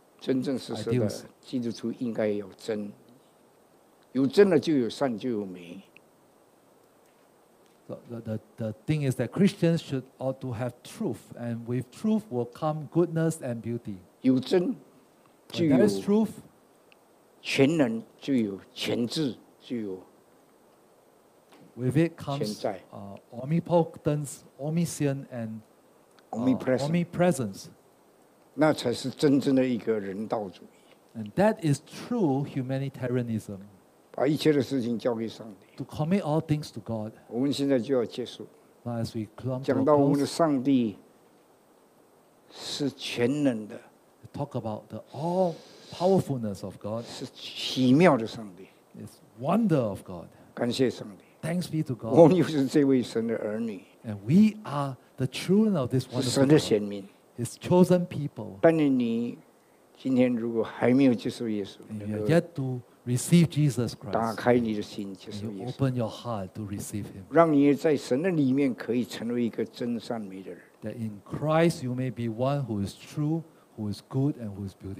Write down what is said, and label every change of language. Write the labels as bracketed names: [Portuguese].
[Chinese] 真正实实的基督徒应该有真，有真了就有善就有美。 [English] The thing is that Christians should ought to have truth, and with truth will come goodness and beauty. [Chinese] 有真就有 [English] that is truth, [Chinese] 全能就有全智就有 [English] With it comes omnipotence, omniscience, and omnipresence. [Chinese] 那才是真正的一个人道主义。 [English] And that is true humanitarianism. [Chinese] 把一切的事情交给上帝。 [English] To commit all things to God. [Chinese] 我们现在就要结束。 [English] But as we close, [Chinese] 讲到我们的上帝是全能的。 [English] Talk about the all-powerfulness of God. [Chinese] 是奇妙的上帝。 [English] It's wonder of God. [Chinese] 感谢上帝。 [English] Thanks be to God. [Chinese] 我们又是这位神的儿女。 [English] And we are the children of this wonderful God. [Chinese] 是神的选民。 [English] His chosen people. [Chinese] 但是你今天如果还没有接受耶稣，你 [English] are yet to receive Jesus Christ. [Chinese] 打开你的心，接受耶稣。 [English] Open your heart to receive Him. [Chinese] 让你在神的里面可以成为一个真善美的人。 [English] That in Christ you may be one who is true, who is good, and who is beautiful.